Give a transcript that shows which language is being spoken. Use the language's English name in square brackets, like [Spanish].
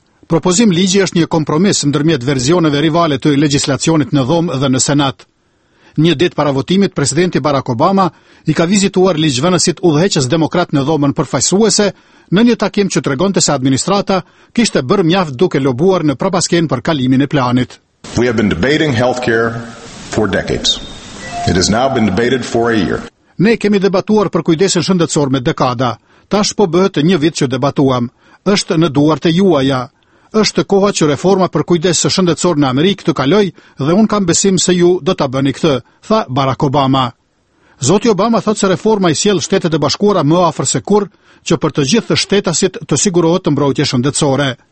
[Albanian] Propozim ligji është një kompromis ndërmjet versioneve rivale të legjislacionit në dhomë dhe në Senat. Një ditë para votimit, presidenti Barack Obama i ka vizituar ligjvënësit udhëheqës demokrat në dhomën përfaqësuese në një takim që tregonte se administrata kishte bërë mjaft duke lobuar në propaskenë për kalimin e planit. [English] We have been debating healthcare for decades. It has now been debated for a year. [Albanian] Ne kemi debatuar për kujdesin shëndetësor me dekada. Tash po bëhet një vit që debatuam. Është në duart e juaja. Është koha që reforma për kujdes shëndetësor në Amerikë të kaloj dhe unë kam besim se ju do ta bëni këtë, tha Barack Obama. Zoti Obama thot se reforma i sjell Shtetet e Bashkuara më afër se kur që për të gjithë shtetasit të sigurohet të mbrojtje shëndetësore.